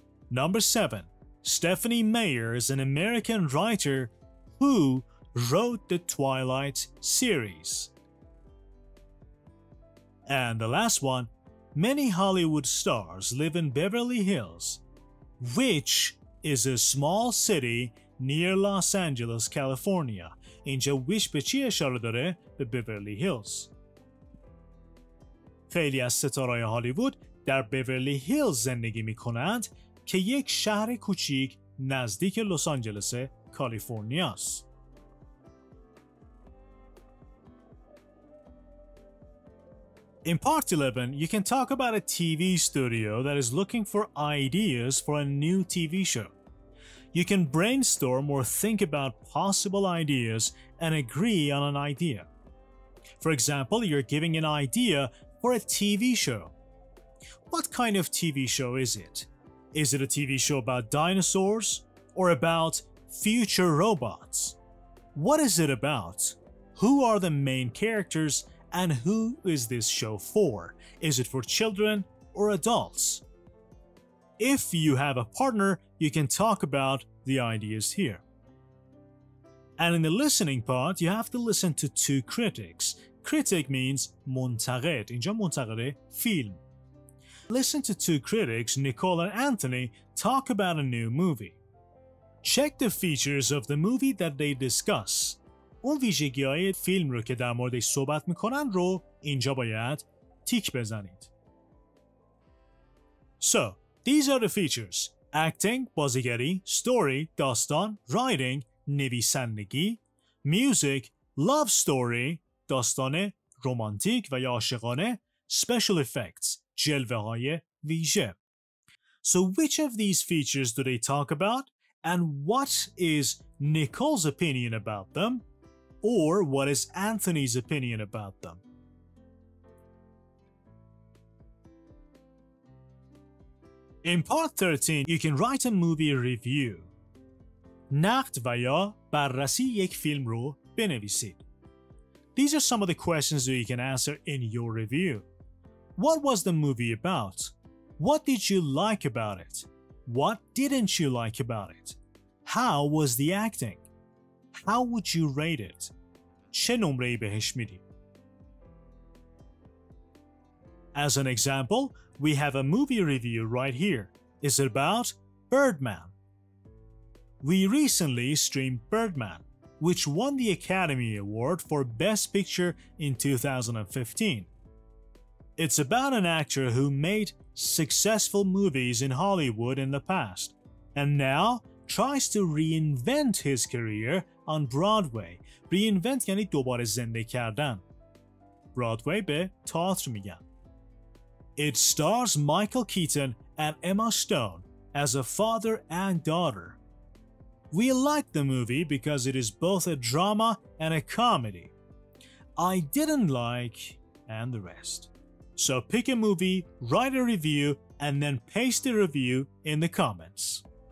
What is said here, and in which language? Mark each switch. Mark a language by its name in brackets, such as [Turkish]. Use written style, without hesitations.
[English] Number 7. Stephanie Meyer is an American writer who wrote the Twilight series. And the last one, many Hollywood stars live in Beverly Hills, which is a small city near Los Angeles, California. [Persian] اینجا ویش به چی اشاره داره؟ به بیورلی هیلز. خیلی از ستارهای هالیوود در بیورلی هیلز زندگی می کنند که یک شهر کوچیک نزدیک لس آنجلس کالیفرنیا است. [English] In part 11, you can talk about a TV studio that is looking for ideas for a new TV show. You can brainstorm or think about possible ideas and agree on an idea. For example, you're giving an idea for a TV show. What kind of TV show is it? Is it a TV show about dinosaurs or about future robots? What is it about? Who are the main characters? And who is this show for? Is it for children or adults? If you have a partner, you can talk about the ideas here. And in the listening part, you have to listen to two critics. Critic means [Persian] منتقد. اینجا منتقد فیلم. [English] Listen to two critics, Nicole and Anthony, talk about a new movie. Check the features of the movie that they discuss. [Persian] اون ویژگی‌های فیلم رو که در موردش صحبت می‌کنن رو اینجا باید تیک بزنید. [English] So, these are the features: acting, [Persian] بازیگری, [English] story, [Persian] داستان, [English] writing, [Persian] نویسندگی, [English] music, love story, [Persian] داستان رمانتیک و یا عاشقانه, [English] special effects, [Persian] جلوه‌های ویژه. [English] So, which of these features do they talk about and what is Nicole's opinion about them? Or what is Anthony's opinion about them? In part 13, you can write a movie review. [Persian] نقد و یا بررسی یک فیلم رو بنویسید. [English] These are some of the questions that you can answer in your review. What was the movie about? What did you like about it? What didn't you like about it? How was the acting? How would you rate it? [Persian] چه نمره‌ای بهش میدی؟ [English] As an example, we have a movie review right here. Is it about Birdman? We recently streamed Birdman, which won the Academy Award for Best Picture in 2015. It's about an actor who made successful movies in Hollywood in the past, and now tries to reinvent his career on Broadway. [Persian] Reinvent یعنی دوباره زنده کردن. Broadway به تئاتر میگن. [English] It stars Michael Keaton and Emma Stone as a father and daughter. We like the movie because it is both a drama and a comedy. I didn't like and the rest. So pick a movie, write a review, and then paste the review in the comments.